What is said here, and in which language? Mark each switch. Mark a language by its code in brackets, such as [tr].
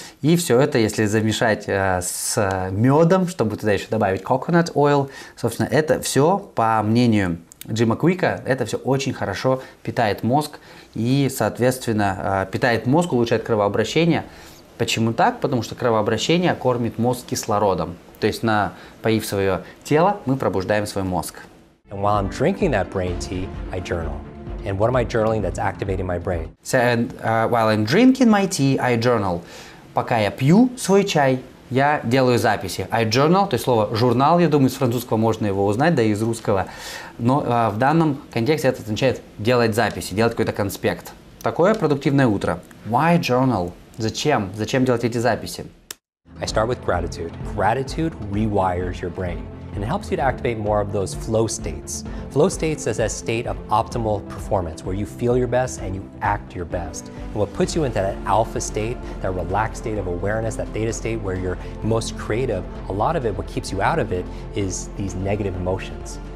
[ru] И все это, если замешать с медом, чтобы туда еще добавить coconut oil, собственно, это все, по мнению Джима Куика, это все очень хорошо питает мозг и, соответственно, питает мозг, улучшает кровообращение. Почему так? Потому что кровообращение кормит мозг кислородом. То есть, напоив свое тело, мы пробуждаем свой мозг. [en] And while I'm drinking that brain tea, I journal. And what am I journaling that's activating my brain? While I'm drinking my tea, I journal. [ru] Пока я пью свой чай, я делаю записи. [en] I journal, [ru] то есть слово журнал, я думаю, из французского можно его узнать, да и из русского. Но в данном контексте это означает делать записи, делать какой-то конспект. Такое продуктивное утро. [en] Why journal? [ru] Зачем? Зачем делать эти записи? [en] I start with gratitude. Gratitude rewires your brain. And it helps you to activate more of those flow states. Flow states is a state of optimal performance, where you feel your best and you act your best. And what puts you into that alpha state, that relaxed state of awareness, that theta state where you're most creative, a lot of it, what keeps you out of it, is these negative emotions.